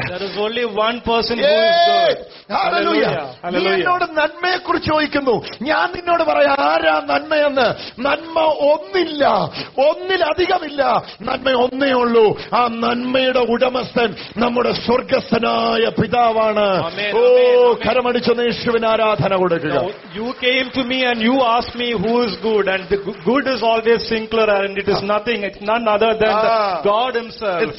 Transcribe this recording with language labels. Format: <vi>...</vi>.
<en>There is only one person who is good. Hallelujah. Hallelujah.</en> <ml>നീ എന്നോട് നന്മയെക്കുറിച്ച് ചോദിക്കുന്നു. ഞാൻ നിന്നോട് പറയാം ആരാ നന്മയെന്ന്. നന്മ ഒന്നില്ല, ഒന്നിലധികമില്ല, നന്മ ഒന്നേ ഉള്ളൂ. ആ നന്മയുടെ ഉടമസ്ഥൻ നമ്മുടെ സ്വർഗസ്ഥനായ പിതാവാണ്. ഓ കരമടിച്ച യേശുവിന് ആരാധന കൊടുക്കുക.</ml> <en>You came to me and you asked me who is good, and the good is always singular, and it is nothing, it's none other than the God himself.</en>